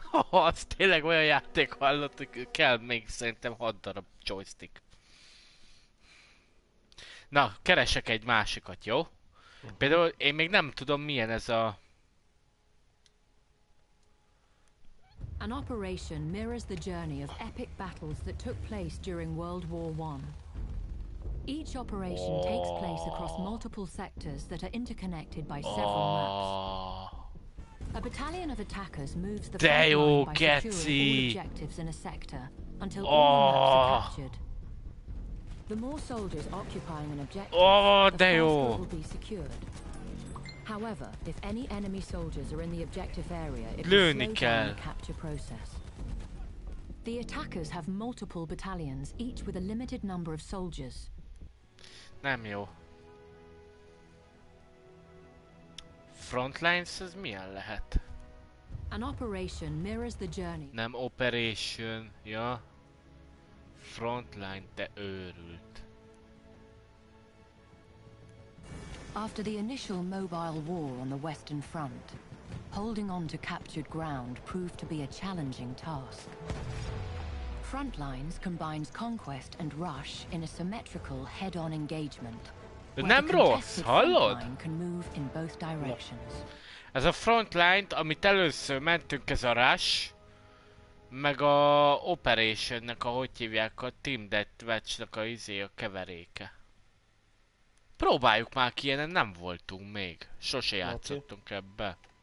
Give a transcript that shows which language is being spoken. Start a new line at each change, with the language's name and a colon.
Hungarian: Az tényleg olyan játék, hallott, hogy kell még szerintem 6 darab joystick. Na, keresek egy másikat, jó? Például én még nem tudom, milyen ez a...
English: An operation mirrors the journey of epic battles that took place during World War One. Each operation takes place across multiple sectors that are interconnected by several maps. A battalion of attackers moves the front line by securing all objectives in a sector until all the maps are captured. The more soldiers occupying an objective, the faster it will be secured. However, if any enemy soldiers are in the objective area, it will slow down the capture process. The attackers have multiple battalions, each with a limited number of soldiers.
Hungarian: Nem jó. Frontlines ez milyen lehet?
English: An operation mirrors the journey.
Hungarian: Nem operation, ja. Frontline, te őrült.
English: After the initial mobile war on the Western Front, holding on to captured ground proved to be a challenging task. Frontlines combines conquest and rush in a symmetrical head-on engagement.
Hungarian: Nem rossz, hallod?
English: Can move in both directions.
Hungarian: Ez a frontline, amit először mentünk, ez a rush, meg a operationnek, ahogy hívják, a Team Deathmatchnak a keveréke. Próbáljuk már ki, ilyenen nem voltunk még. Sose játszottunk ebbe.